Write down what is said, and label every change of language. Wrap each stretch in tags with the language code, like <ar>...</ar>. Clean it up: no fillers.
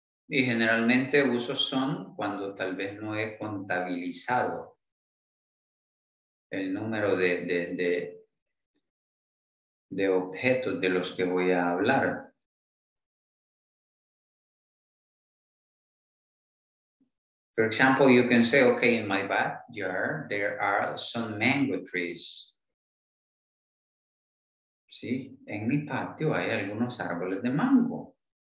<es>Y generalmente uso son cuando tal vez no he contabilizado el número de objetos de los que voy a hablar.</es> <en>For example, you can say, okay, in my backyard, there are some mango trees.</en> <es>Sí, en mi patio hay algunos árboles de mango.</es>